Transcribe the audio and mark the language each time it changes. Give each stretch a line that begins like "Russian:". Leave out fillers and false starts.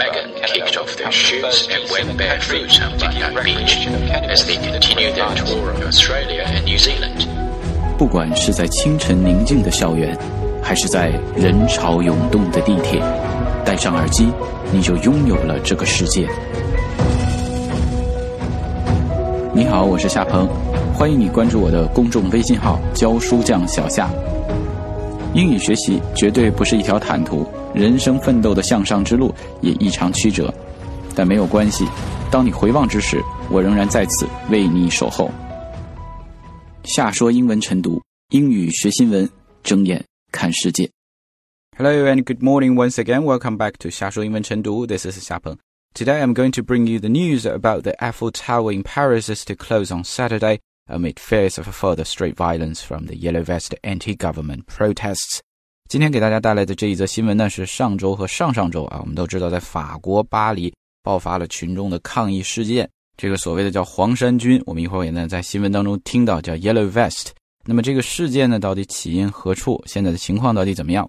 English: Meghan kicked off their shoots and went barefoot on Bundang Beach as they continued their tour of Australia and New Zealand.
Chinese: 不管是在清晨宁静的校园，还是在人潮涌动的地铁，戴上耳机，你就拥有了这个世界。你好，我是夏鹏，欢迎你关注我的公众微信号教书匠小夏。英语学习绝对不是一条坦途，人生奋斗的向上之路也异常曲折，但没有关系，当你回望之时，我仍然在此为你守候。夏说英文晨读，英语学新闻，睁眼看世界。
English: Hello and good morning once again. Welcome back to 夏说英文晨读。This is 夏鹏。 Today, I'm going to bring you the news about the Eiffel Tower in Paris is to close on Saturday amid fears of further street violence from the Yellow Vest anti-government protests.
Chinese: 今天给大家带来的这一则新闻呢，是上周和上上周啊，我们都知道在法国巴黎爆发了群众的抗议事件。这个所谓的叫黄衫军，我们一会儿也能在新闻当中听到叫 Yellow Vest。那么这个事件呢，到底起因何处？现在的情况到底怎么样？